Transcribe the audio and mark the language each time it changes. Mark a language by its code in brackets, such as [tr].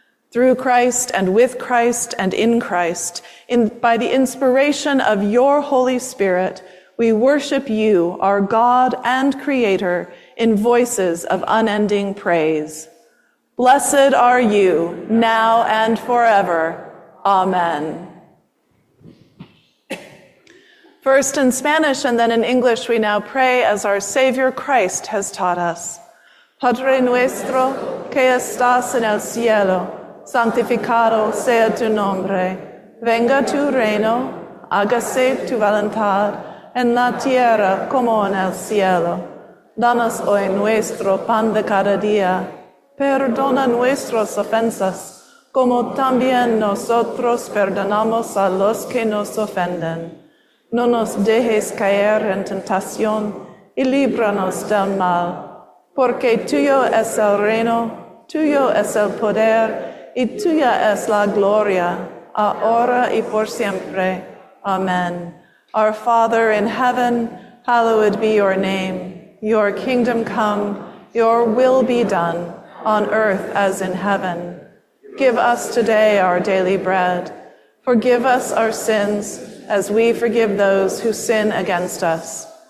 [en] Through Christ and with Christ and in Christ, by the inspiration of your Holy Spirit, we worship you, our God and Creator, in voices of unending praise. Blessed are you, now and forever. Amen. First in Spanish and then in English, we now pray as our Savior Christ has taught us. [es] Padre nuestro, que estás en el cielo, santificado sea tu nombre. Venga tu reino, hágase tu voluntad, en la tierra como en el cielo. Danos hoy nuestro pan de cada día. Perdona nuestras ofensas, como también nosotros perdonamos a los que nos ofenden. No nos dejes caer en tentación, y líbranos del mal. Porque tuyo es el reino, tuyo es el poder, y tuya es la gloria, ahora y por siempre. Amen. [en] Our Father in heaven, hallowed be your name. Your kingdom come, your will be done, on earth as in heaven. Give us today our daily bread. Forgive us our sins, as we forgive those who sin against us.